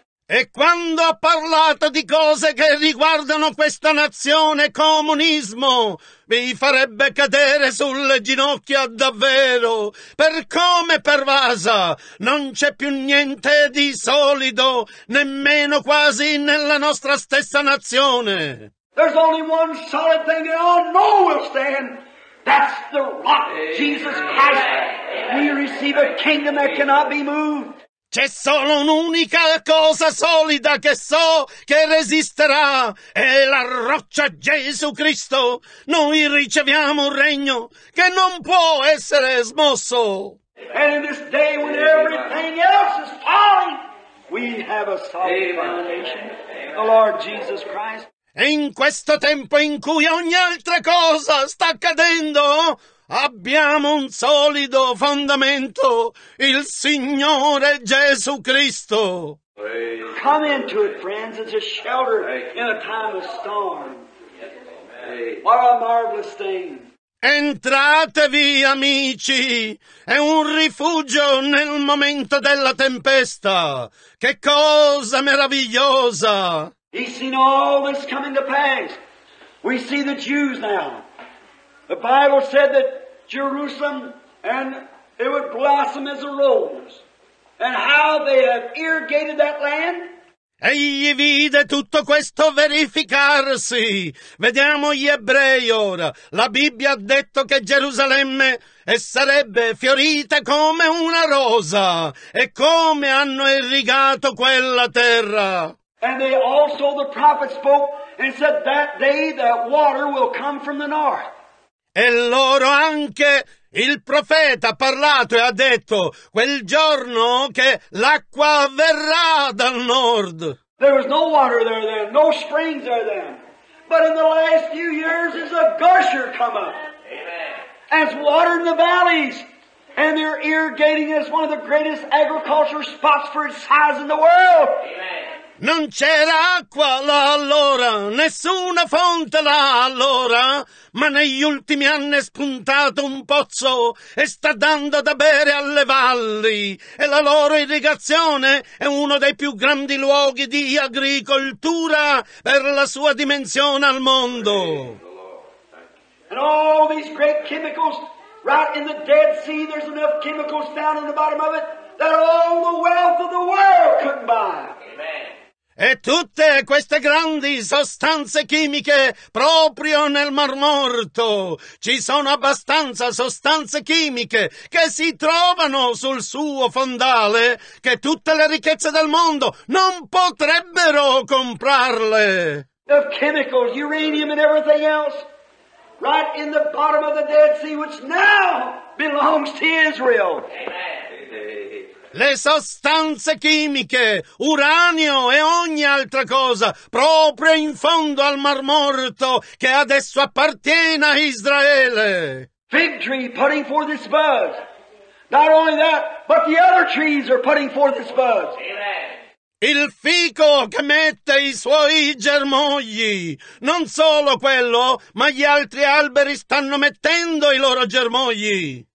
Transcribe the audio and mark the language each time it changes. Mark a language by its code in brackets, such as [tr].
[it] E quando ha parlato di cose che riguardano questa nazione, comunismo, vi farebbe cadere sulle ginocchia davvero. Per come pervasa, non c'è più niente di solido, nemmeno quasi nella nostra stessa nazione. [en] There's only one solid thing that all know will stand. That's the rock, Jesus Christ. We receive a kingdom that cannot be moved. [it] C'è solo un'unica cosa solida che so che resisterà, è la roccia Gesù Cristo. Noi riceviamo un regno che non può essere smosso. [en] And in this day when everything else is falling, we have a solid foundation, the Lord Jesus Christ. [it] E in questo tempo in cui ogni altra cosa sta cadendo, abbiamo un solido fondamento, il Signore Gesù Cristo. [en] Come into it, friends, it's a shelter in a time of storm. What a marvelous thing. [it] Entratevi, amici, è un rifugio nel momento della tempesta. Che cosa meravigliosa! [en] He's seen all this coming to pass. We see the Jews now. The Bible said that Jerusalem, and it would blossom as a rose. And how they have irrigated that land. [it] Egli vide tutto questo verificarsi. Vediamo gli ebrei ora. La Bibbia ha detto che Gerusalemme e sarebbe fiorita come una rosa. E come hanno irrigato quella terra. [en] And they also, the prophet spoke, and said that day that water will come from the north. [it] E loro anche, il profeta ha parlato e ha detto, quel giorno che l'acqua verrà dal nord. [en] There was no water there then, no springs there then. But in the last few years is a gusher come up. Amen. As water in the valleys. And they're irrigating as one of the greatest agriculture spots for its size in the world. Amen. [it] Non c'era acqua là allora, nessuna fonte là allora, ma negli ultimi anni è spuntato un pozzo e sta dando da bere alle valli. E la loro irrigazione è uno dei più grandi luoghi di agricoltura per la sua dimensione al mondo. [en] And all these great chemicals, right in the Dead Sea, there's enough chemicals down in the bottom of it that all the wealth of the world couldn't buy. Amen. [it] E tutte queste grandi sostanze chimiche proprio nel Mar Morto. Ci sono abbastanza sostanze chimiche che si trovano sul suo fondale che tutte le ricchezze del mondo non potrebbero comprarle. [en] The chemicals, uranium and everything else, right in the bottom of the Dead Sea, which now belongs to Israel. [it] Le sostanze chimiche, uranio e ogni altra cosa, proprio in fondo al Mar Morto, che adesso appartiene a Israele. [en] Fig tree putting forth its buds. Not only that, but the other trees are putting forth its buds. [it] Il fico che mette i suoi germogli. Non solo quello, ma gli altri alberi stanno mettendo i loro germogli.